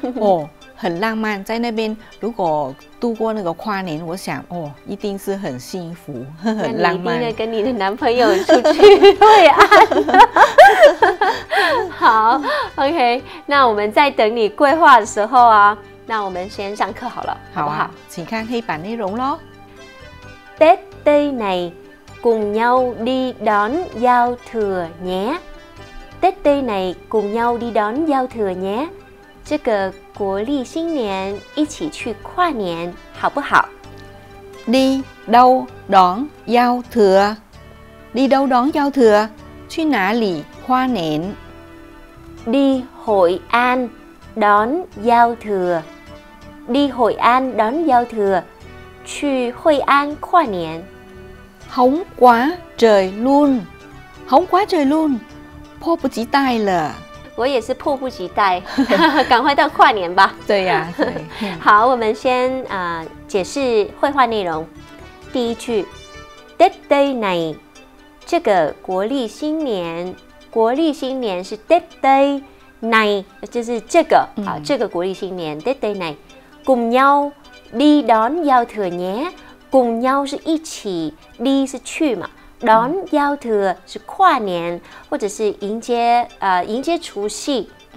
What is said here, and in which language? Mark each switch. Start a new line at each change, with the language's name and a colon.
Chinese: 哦，很浪漫，在那边如果度过那个跨年，我想哦，一定是很幸福，很浪漫。那你一定要跟你的男朋友出去惠安。好 ，OK， 那我们在等你规划的时候啊，那我们先上课好了，好啊，好不好？请看黑板内容咯。
Vietnamese: Tết tới này cùng nhau đi đón giao thừa nhé. Tết tới này cùng nhau đi đón giao thừa nhé.
Chinese: 这个国历新年一起去跨年好不好？
Vietnamese: đi đâu đón giao thừa， đi đâu đón giao thừa，
Chinese: 去哪里跨年？
Vietnamese: đi Hội An đón giao thừa， đi Hội An đón giao thừa，
Chinese: 去惠安跨年。
Vietnamese: 红quá trời luôn， hóng quá trời luôn，
Chinese: 迫不及待了。我也是迫不及待，赶快到跨年吧。对呀、好，我们先解释会话内容。第一句 ，
Vietnamese: Tết tới này，
Chinese: 这个国历新年，国历新年是 Tết tới này， 就是这个、这个国历新年 Tết tới này，
Vietnamese: cùng nhau đi đón giao thừa nhé，
Chinese: cùng nhau 是一起， đi 是去嘛。 đón giao thừa 是跨年，或者是迎接除夕。